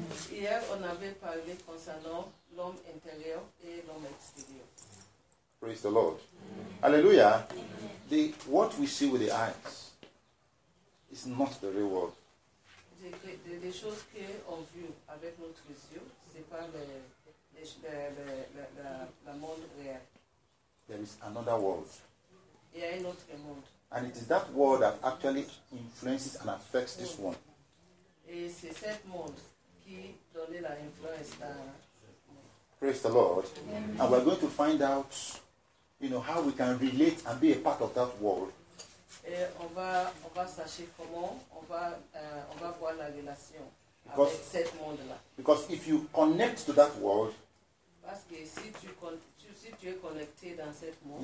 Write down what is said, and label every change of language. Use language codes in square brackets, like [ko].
[fr] Hier, on avait parlé concernant l'homme intérieur et l'homme extérieur. [en] Praise the Lord. Hallelujah. The what we see with the eyes is not the real world. [fr] Les choses qu'on voit avec notre yeux, ce n'est pas le monde réel. [en] There is another world. [fr] Il y a un autre monde. [en] And it is that world that actually influences and affects this one. [fr] Et c'est cet monde qui donne la influence à. [en] Praise the Lord. Amen. And we're going to find out, you know, how we can relate and be a part of that world. [fr] Et on va chercher comment on va voir la relation avec ce monde-là. [en] Because if you connect to that world, [fr] parce que si tu es connecté dans ce monde,